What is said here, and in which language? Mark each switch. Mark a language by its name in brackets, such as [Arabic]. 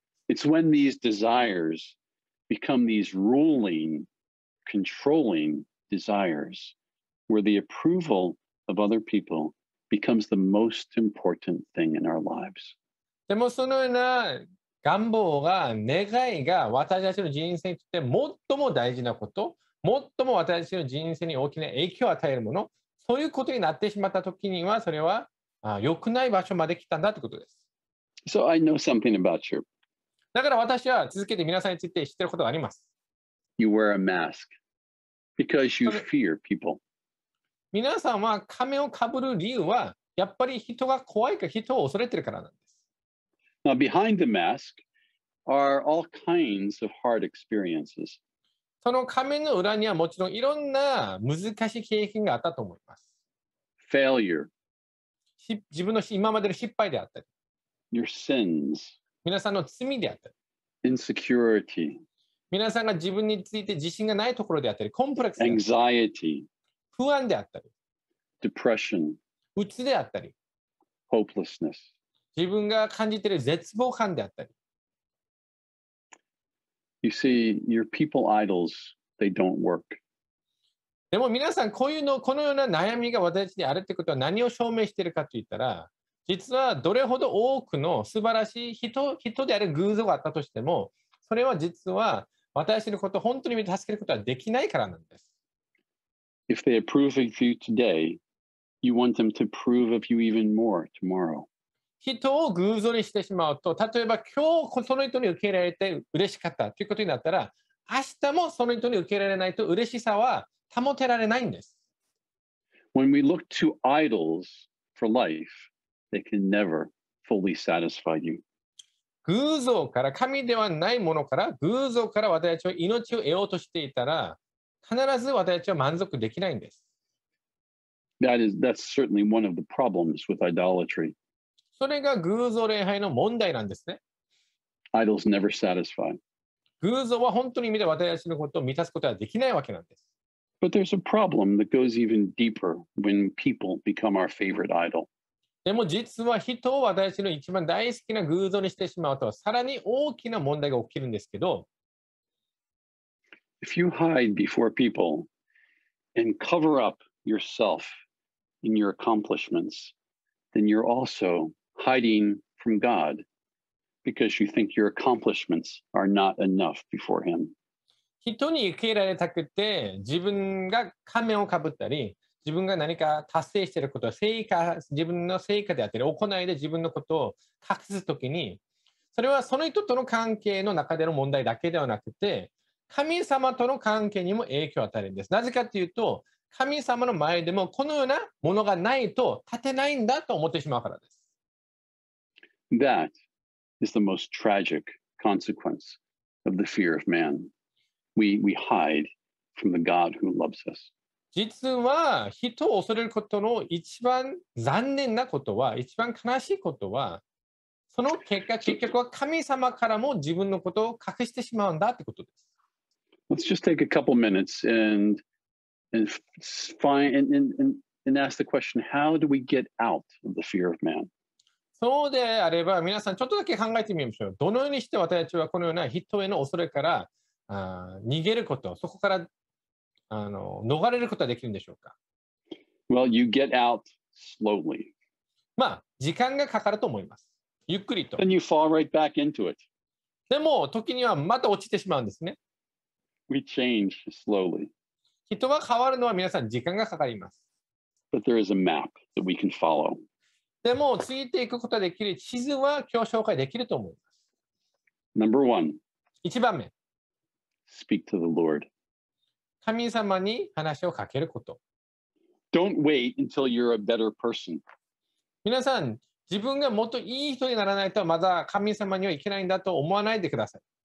[English] It's when these desires become these ruling, controlling desires where the approval of other peopleBecomes the most important thing in our lives. [Japanese] でもそのような願望が、願いが私たちの人生にとって最も大事なこと、最も私たちの人生に大きな影響を与えるもの、そういうことになってしまったときには、それは良くない場所まで来たんだということです。 [English] So I know something about you. [Japanese] だから私は続けて皆さんについて知っていることがあります。 [English] You wear a mask because you fear people. [Japanese] 皆さんは仮面をかぶる理由はやっぱり人が怖いか人を恐れてるからなんです。 [English] Now, behind the mask are all kinds of hard experiences. [Japanese] その仮面の裏にはもちろんいろんな難しい経験があったと思います。 [English] Failure. [Japanese] 自分の今までの失敗であったり。 [English] Your sins. [Japanese] 皆さんの罪であったり。 [English] Insecurity. [Japanese] 皆さんが自分について自信がないところであったり、コンプレックス。 [English] Anxiety. [Japanese] 不安であったり、 [English] depression、 [Japanese] 鬱であったり、 [English] hopelessness、 [Japanese] 自分が感じている絶望感であったり。 [English] You see, your people idols, they don't work. [Japanese] でも皆さん、こういうの、このような悩みが私たちにあるということは何を証明しているかといったら、実はどれほど多くの素晴らしい人である偶像があったとしても、それは実は私たちのことを本当に助けることはできないからなんです。 [English] If they approve of you today, you want them to approve of you even more tomorrow. [Japanese] 人を偶像にしてしまうと、例えば今日その人に受け入れられて嬉しかったということになったら、明日もその人に受け入れられないと嬉しさは保てられないんです。 [English] When we look to idols for life, they can never fully satisfy you. [Japanese] 偶像から、神ではないものから、偶像から私たちは命を得ようとしていたら、必ず私たちは満足できないんです。 [English] That's certainly one of the problems with idolatry. [Japanese] それが偶像礼拝の問題なんですね。 [English] Idols never satisfy. [Japanese] 偶像は本当に意味で私たちのことを満たすことはできないわけなんです。 [English] But there's a problem that goes even deeper when people become our favorite idol. [Japanese] でも実は人を私たちの一番大好きな偶像にしてしまうと、さらに大きな問題が起きるんですけど、 [English] If you hide before people and cover up yourself in your accomplishments, then you're also hiding from God because you think your accomplishments are not enough before Him. [Japanese] 人に受け入れられたくて、自分が仮面をかぶったり、自分が何か達成していること、成果、自分の成果であったり、行いで自分のことを隠すときに、それはその人との関係の中での問題だけではなくて、神様との関係にも影響を与えるんです。なぜかというと、神様の前でもこのようなものがないと立てないんだと思ってしまうからです。 [English] That is the most tragic consequence of the fear of man. We hide from the God who loves us. [Japanese] 実は人を恐れることの一番残念なことは、一番悲しいことは、その結果、結局は神様からも自分のことを隠してしまうんだってことです。 [English] Let's just take a couple minutes and ask the question, how do we get out of the fear of man? [Japanese] そうであれば、皆さんちょっとだけ考えてみましょう。どのようにして私たちはこのような人への恐れから逃げること、そこから逃れることはできるんでしょうか? [English] Well, you get out slowly. [Japanese] まあ、時間がかかると思います。ゆっくりと。 [English] Then you fall right back into it. [Japanese] でも、時にはまた落ちてしまうんですね。 [English] We change slowly. [Japanese] 人は変わるのは皆さん時間がかかります。 [English] But there is a map that we can follow. [Japanese] でも、ついていくことができる地図は今日紹介できると思います。 [English] Number one. [Japanese] 一番目。 [English] Speak to the Lord. [Japanese] 神様に話をかけること。 [English] Don't wait until you're a better person. [Japanese] 皆さん、自分がもっといい人にならないとまだ神様にはいけないんだと思わないでください。